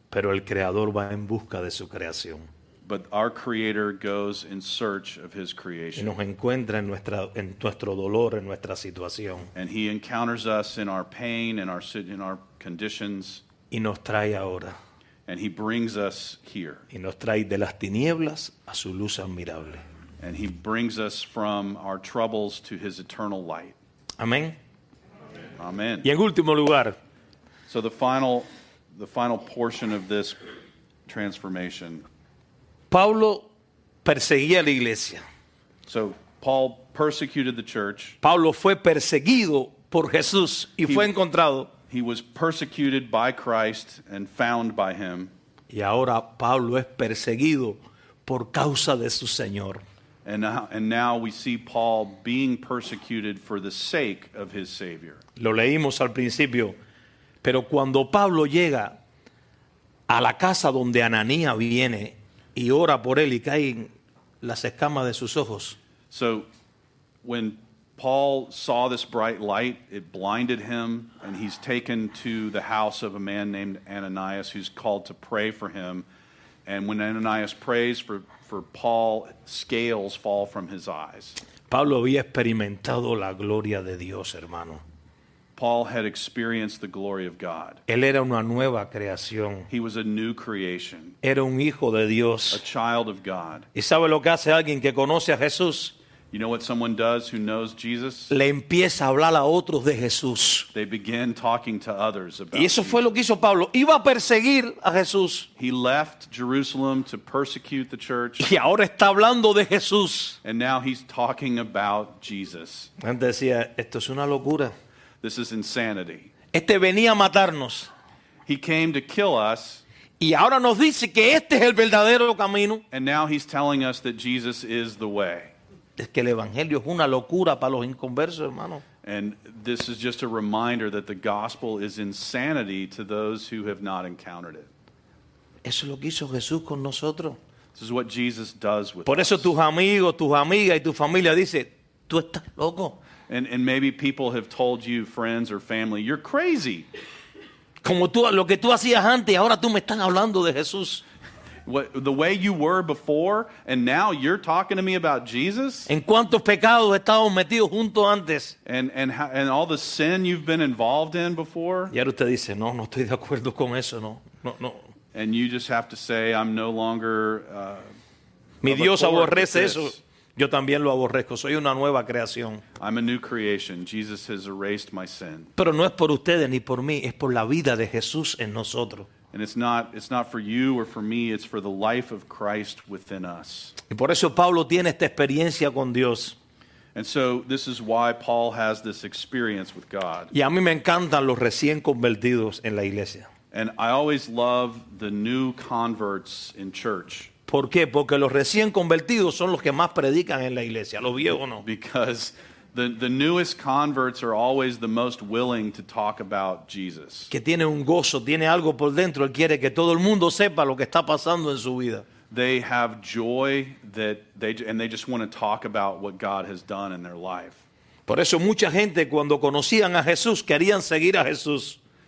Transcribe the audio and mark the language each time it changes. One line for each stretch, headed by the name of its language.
Spanish: Pero el Creador va en busca de su creación.
English: But our Creator goes in search of his creation.
Spanish: Nos encuentra en nuestro dolor, en nuestra situación.
English: And he encounters us in our pain, in our conditions.
Spanish: Y nos trae ahora.
English: And he brings us here.
Spanish: Y nos trae de las tinieblas a su luz admirable.
English: And he brings us from our troubles to his eternal light.
Spanish: Amén. Amén. Y en último lugar.
English: So the final portion of this transformation.
Spanish: Pablo perseguía la iglesia.
English: So Paul persecuted the church.
Spanish: Pablo fue perseguido por Jesús y fue encontrado.
English: He was persecuted by Christ and found by him.
Spanish: Y ahora Pablo es perseguido por causa de su Señor.
English: And now we see Paul being persecuted for the sake of his Savior.
Spanish: Lo leímos al principio, pero cuando Pablo llega a la casa donde Ananías viene y ora por él y caen las escamas de sus ojos.
English: So when Paul saw this bright light, it blinded him, and he's taken to the house of a man named Ananias, who's called to pray for him. And when Ananias prays for Paul, scales fall from his eyes.
Spanish: Pablo había experimentado la gloria de Dios, hermano.
English: Paul had experienced the glory of God.
Spanish: Él era una nueva creación.
English: He was a new creation.
Spanish: Era un hijo de Dios.
English: A child of God.
Spanish: ¿Y sabe lo que hace alguien que conoce a Jesús?
English: You know what someone does who knows Jesus?
Spanish: Le empieza a hablar a otros de Jesús.
English: They begin talking to others about
Spanish: Jesus. Y eso
English: Jesus.
Spanish: Fue lo que hizo Pablo. Iba a perseguir a Jesús.
English: He left Jerusalem to persecute the church.
Spanish: Y ahora está hablando de Jesús.
English: And now he's talking about Jesus.
Spanish: Antes decía, esto es una locura.
English: This is insanity.
Spanish: Este venía a matarnos.
English: He came to kill us.
Spanish: Y ahora nos dice que este es el verdadero camino.
English: And now he's telling us that Jesus is the way.
Spanish: Es que el evangelio es una locura para los inconversos, hermano.
English: And this is just a reminder that the gospel is insanity to those who have not encountered it.
Spanish: Eso es lo que hizo Jesús con nosotros.
English: This is what Jesus does with us.
Spanish: Por eso tus amigos, tus amigas y tu familia dicen, tú estás loco.
English: And maybe people have told you, friends or family, you're crazy.
Spanish: Como tú, lo que tú hacías antes, ahora tú me estás hablando de Jesús.
English: What, the way you were before, and now you're talking to me about Jesus?
Spanish: ¿En cuántos pecados estábamos metidos juntos antes?
English: And all the sin you've been involved in before?
Spanish: Y ahora usted dice, no, no estoy de acuerdo con eso, no, no, no.
English: And you just have to say, I'm no longer...
Spanish: Mi Dios aborrece eso. Yo también lo aborrezco. Soy una nueva creación.
English: I'm a new creation. Jesus has erased my sin.
Spanish: Pero no es por ustedes ni por mí. Es por la vida de Jesús en nosotros.
English: And it's not for you or for me. It's for the life of Christ within us.
Spanish: Y por eso Pablo tiene esta experiencia con Dios.
English: And so this is why Paul has this experience with God.
Spanish: Y a mí me encantan los recién convertidos en la iglesia.
English: And I always love the new converts in church.
Spanish: ¿Por qué? Porque los recién convertidos son los que más predican en la iglesia, los viejos no.
English: Because the newest converts are always the most willing to talk about Jesus.
Spanish: Que tiene un gozo, tiene algo por dentro, él quiere que todo el mundo sepa lo que está pasando en su vida.
English: They have joy and they just want to talk about what God has done in their life.
Spanish: Por eso mucha gente cuando conocían a Jesús querían seguir a Jesús.